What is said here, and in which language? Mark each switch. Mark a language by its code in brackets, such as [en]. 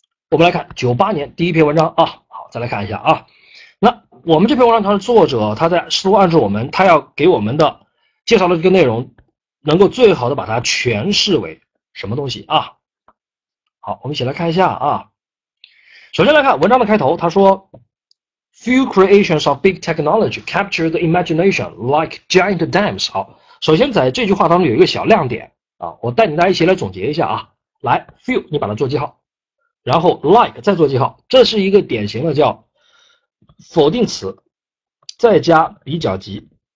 [zh] 我们来看98年第一篇文章啊，好，再来看一下啊。那我们这篇文章，它的作者他在试图暗示我们，他要给我们的介绍的这个内容，能够最好的把它诠释为什么东西啊？好，我们一起来看一下啊。首先来看文章的开头，他说 [en] ，Few creations of big technology capture the imagination like giant dams。 [zh] 好，首先在这句话当中有一个小亮点啊，我带领大家一起来总结一下啊。来 ，few 你把它做记号，然后 like 再做记号，这是一个典型的叫否定词，再加比较级。